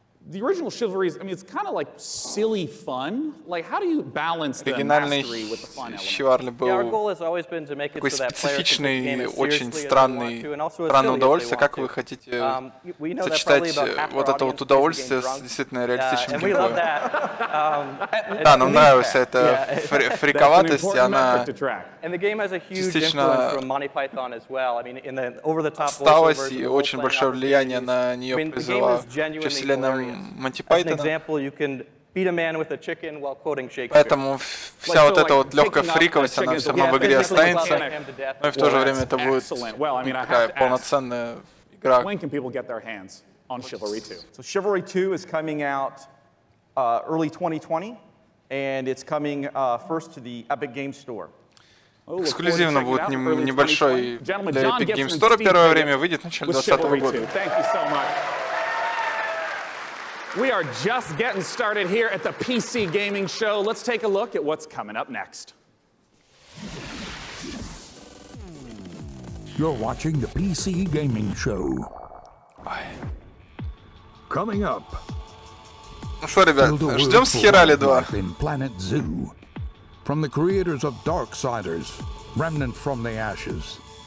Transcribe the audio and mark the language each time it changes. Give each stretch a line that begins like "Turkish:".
English: The original Chivalry is, I mean, it's kind of like silly fun. Like, how do you balance the mastery with the fun element? Yeah, our goal has always been to make it so that players can take the game as seriously
Russian: странный,
English: as they want to, and also as silly удовольствие. As they want to. We know that probably about half our audience is getting drunk. And we love that.
Russian: Да, нам нравится эта фриковатость, она
English: And the game has a huge influence from Monty Python as well. I mean, in the over-the-top voiceover, the whole thing. Monty Python. As an example, you can beat a man with a chicken while quoting Shakespeare.
Russian: Поэтому вся вот эта вот легкая фриковость, она все равно в игре останется. Но и в то же время это будет такая полноценная игра.
English: When can people get their hands on Chivalry 2? So Chivalry 2 is coming out early 2020, and it's coming first to the Epic Games Store.
Russian: Эксклюзивно будет небольшой для Epic Games Store первое время, выйдет в начале 2020 года.
English: We are just getting started here at the PC Gaming Show. Let's take a look at what's coming up next. You're watching the PC Gaming Show. Coming up.
Russian: Ну что, ребят, ждем с Херали 2.
English: In Planet Zoo. From the creators of Darksiders, Remnant from the Ashes.